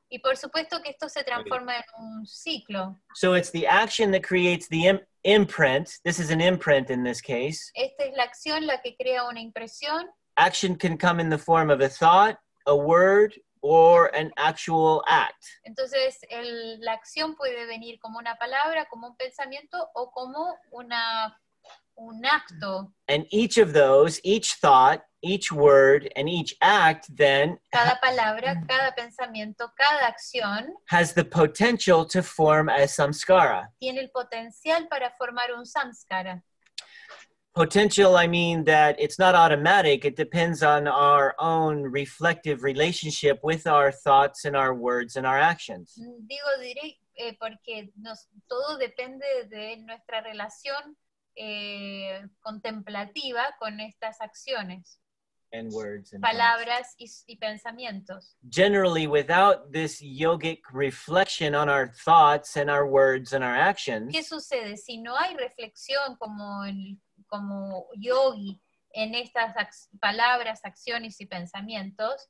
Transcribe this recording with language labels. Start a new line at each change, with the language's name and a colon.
Spanish: Y por supuesto que esto se transforma en un ciclo.
English: So it's the action that creates the imprint. This is an imprint in this case.
Spanish: Esta es la acción la que crea una impresión.
English: Action can come in the form of a thought, a word, or an actual act.
Spanish: Entonces, la acción puede venir como una palabra, como un pensamiento, o como una... un acto.
English: And each of those, each thought, each word, and each act, then
Spanish: cada palabra, cada pensamiento, cada acción
English: has the potential to form a samskara.
Spanish: Tiene el potencial para formar un samskara.
English: Potential, I mean that it's not automatic. It depends on our own reflective relationship with our thoughts and our words and our actions.
Spanish: Digo porque todo depende de nuestra relación contemplativa con estas acciones.
English: and words and
Spanish: palabras y pensamientos.
English: Generally, without this yogic reflection on our thoughts and our words and our actions,
Spanish: ¿qué sucede si no hay reflexión como yogi en estas palabras, acciones y pensamientos?